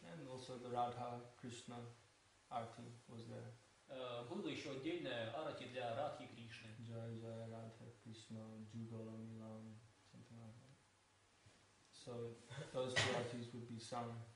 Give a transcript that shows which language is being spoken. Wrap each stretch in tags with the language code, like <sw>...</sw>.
<en>And also the Radha Krishna Arati was there.</en> <ru>Было еще отдельное Арати для Радхи Кришны.</ru> <en>Jai Jai Radha Krishna Jugala Milam, something like that. So those two Aratis would be sung.</en>